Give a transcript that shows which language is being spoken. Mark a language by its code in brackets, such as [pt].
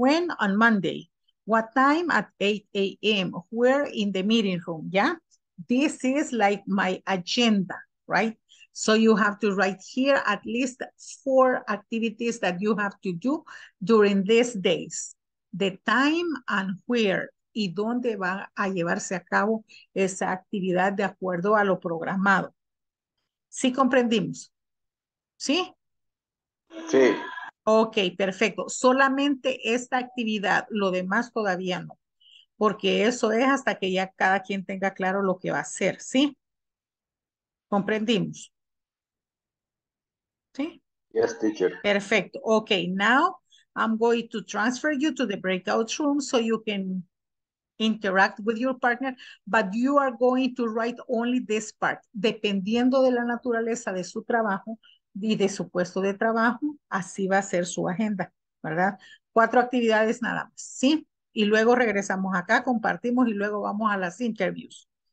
[en] When on Monday? What time? At 8 a.m. Where in the meeting room? Yeah. This is like my agenda, right? So you have to write here at least 4 activities that you have to do during these days. The time and where. [es] Y dónde va a llevarse a cabo esa actividad de acuerdo a lo programado. ¿Sí comprendimos? ¿Sí? Sí. Ok, perfecto. Solamente esta actividad, lo demás todavía no. Porque eso es hasta que ya cada quien tenga claro lo que va a hacer, ¿sí? ¿Comprendimos? ¿Sí? [en] Yes, teacher. [es] Perfecto. [en] Ok, now I'm going to transfer you to the breakout room so you can interact with your partner, but you are going to write only this part. [es] Dependiendo de la naturaleza de su trabajo y de su puesto de trabajo, así va a ser su agenda, ¿verdad? 4 actividades nada más, ¿sí? Y luego regresamos acá, compartimos y luego vamos a las interviews.